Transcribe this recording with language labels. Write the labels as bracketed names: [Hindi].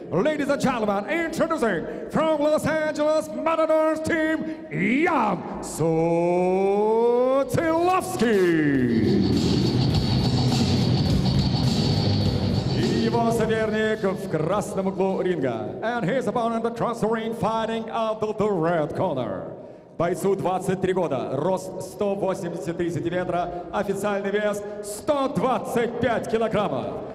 [English] Ladies and gentlemen, introducing from Los Angeles Matadors team, Ян Суциловский. [Russian] И его соперник в красном углу ринга. [English] And his opponent across the ring fighting out of the red corner. [Russian] Бойцу 23 года, рост 183 сантиметра, официальный вес 125 килограмма.